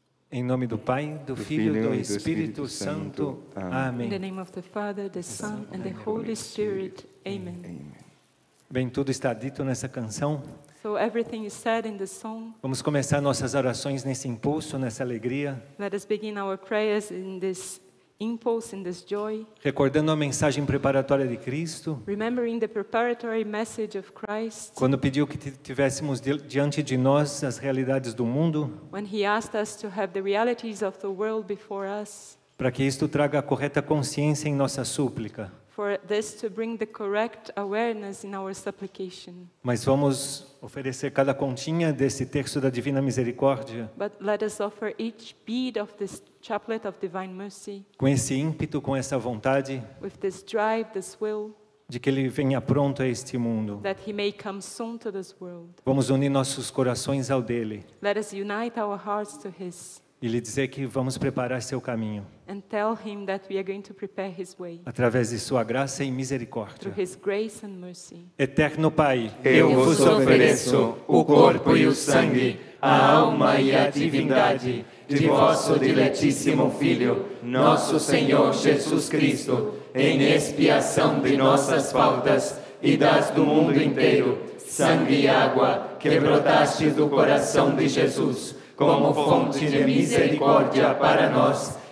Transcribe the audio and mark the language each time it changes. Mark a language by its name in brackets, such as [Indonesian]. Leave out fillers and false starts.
[Portuguese] Em nome do Pai, do Filho e do Espírito Santo. Amém. [English] In the name of the Father, the Son and the Holy Spirit. Amen. [Portuguese] Bem, tudo está dito nessa canção. [English] So everything is said in the song. [Portuguese] Vamos começar nossas orações nesse impulso, nessa alegria. [English] Let us begin our prayers in this impulse, in this joy. [Portuguese] Recordando a mensagem preparatória de Cristo. [English] Remembering the preparatory message of Christ. [Portuguese] Quando pediu que tivéssemos diante de nós as realidades do mundo. [English] When he asked us to have the realities of the world before us. [Portuguese] Para que isto traga a correta consciência em nossa súplica. [English] For this to bring the correct awareness in our supplication. [Portuguese] Mas vamos oferecer cada continha desse texto da Divina Misericórdia. [English] But let us offer each bead of this chaplet of divine mercy. [Portuguese] Com esse ímpeto, com essa vontade. [English] With this drive, this will. [Portuguese] De que ele venha pronto a este mundo. [English] That he may come soon to this world. [Portuguese] Vamos unir nossos corações ao dele. [English] Let us unite our hearts to his. [Portuguese] E lhe dizer que vamos preparar seu caminho. [English] And tell him that we are going to prepare his way. [Portuguese] Através de sua graça e misericórdia. [English] Through his grace and mercy. [Portuguese] Eterno Pai, eu vos ofereço o corpo e o sangue, a alma e a divindade de vosso diletíssimo Filho, nosso Senhor Jesus Cristo, em expiação de nossas faltas e das do mundo inteiro, sangue e água que brotaste do coração de Jesus, como fonte de misericórdia para nós.